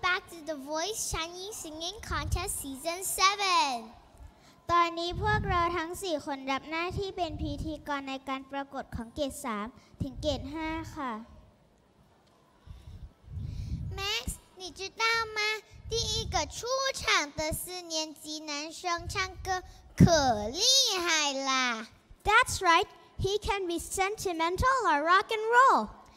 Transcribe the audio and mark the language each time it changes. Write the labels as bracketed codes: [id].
[en] back to the Voice Chinese Singing Contest Season 7. [th] ตอนนี้พวกเราทั้ง4คนรับหน้าที่เป็นพิธีกรในการประกวดของเกรด3ถึงเกรด5ค่ะ [zh] Max 你知道吗第一个出场的四年级男生唱歌可厉害啦 [en] That's right he can be sentimental or rock and roll